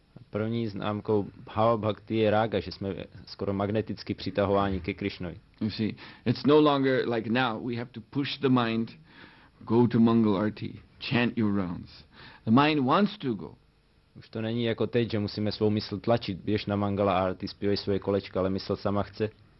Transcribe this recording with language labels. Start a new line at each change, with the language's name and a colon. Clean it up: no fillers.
Czech: První známkou bhava bhakti je rága, že jsme skoro magneticky přitahováni ke Krišnovi.
English: You see, it's no longer like now, we have to push the mind, go to Mangal Arti, chant your rounds. The mind wants to go.
Czech: Už to není jako teď, že musíme svou mysl tlačit, běž na Mangala Arti, zpívej svoje kolečka, ale mysl sama chce.